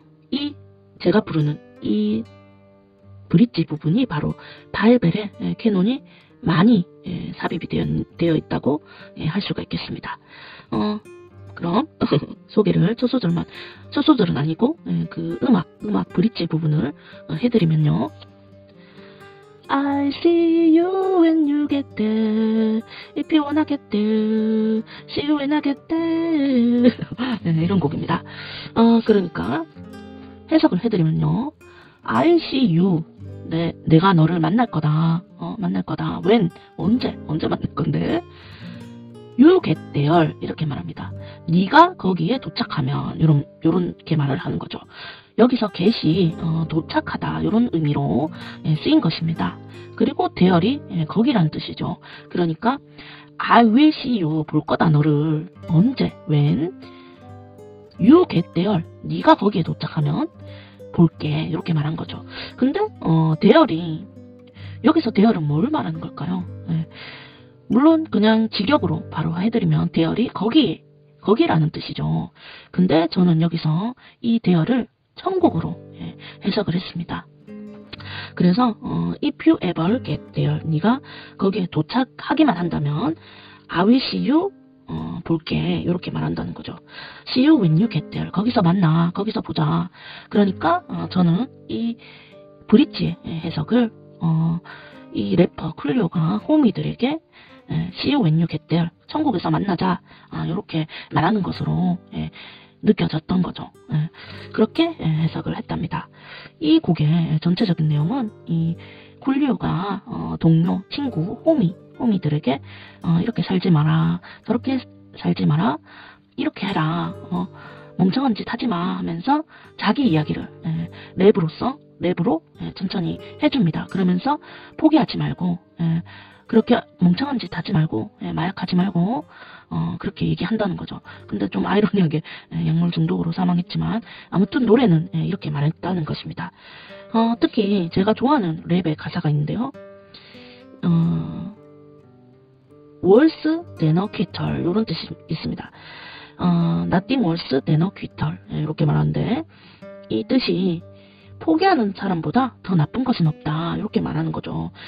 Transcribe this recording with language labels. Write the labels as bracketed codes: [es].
[ko] 이 제가 부르는 이 브릿지 부분이 바로 파헬벨의 캐논이 많이 삽입이 되어 있다고 할 수가 있겠습니다. 그럼 소개를 첫 소절은 아니고 그 음악 브릿지 부분을 해드리면요. [en] I see you when you get there. If you wanna get there, see you when I get there. [ko] 네, 이런 곡입니다. 그러니까 해석을 해드리면요. [en] I see you. [ko] 내가 너를 만날 거다. 만날 거다. [en] When? [ko] 언제 만날 건데? [en] You get there. [ko] 이렇게 말합니다. 네가 거기에 도착하면. 요렇게 말을 하는 거죠. 여기서 get이 도착하다. 요런 의미로 쓰인 것입니다. 그리고 there이 거기란 뜻이죠. 그러니까 [en] I will see you. [ko] 볼 거다 너를. 언제? [en] When? You get there. [ko] 네가 거기에 도착하면. 볼게 이렇게 말한 거죠. 근데 대열이 여기서 대열은 뭘 말하는 걸까요? 네. 물론 그냥 직역으로 바로 해드리면 대열이 거기라는 뜻이죠. 근데 저는 여기서 이 대열을 천국으로 해석을 했습니다. 그래서 [en] if you ever get there, [ko] 네가 거기에 도착하기만 한다면 [en] I will see you. [ko] 볼게 이렇게 말한다는 거죠. [en] See you when you get there. [ko] 거기서 만나. 거기서 보자. 그러니까 저는 이 브릿지의 해석을 이 래퍼 쿨리오가 호미들에게 [en] See you when you get there. [ko] 천국에서 만나자. 이렇게 말하는 것으로 느껴졌던 거죠. 그렇게 해석을 했답니다. 이 곡의 전체적인 내용은 이 쿨리오가 동료, 친구, 호미들에게 이렇게 살지 마라, 저렇게 살지 마라, 이렇게 해라, 멍청한 짓 하지 마 하면서 자기 이야기를 랩으로 천천히 해줍니다. 그러면서 포기하지 말고, 그렇게 멍청한 짓 하지 말고, 마약하지 말고 그렇게 얘기한다는 거죠. 근데 좀 아이러니하게 약물 중독으로 사망했지만 아무튼 노래는 이렇게 말했다는 것입니다. 특히 제가 좋아하는 랩의 가사가 있는데요. [en] Worse than a quitter [ko] 이런 뜻이 있습니다. [en] Nothing worse than a quitter [ko] 이렇게 말하는데 이 뜻이 포기하는 사람보다 더 나쁜 것은 없다 이렇게 말하는 거죠.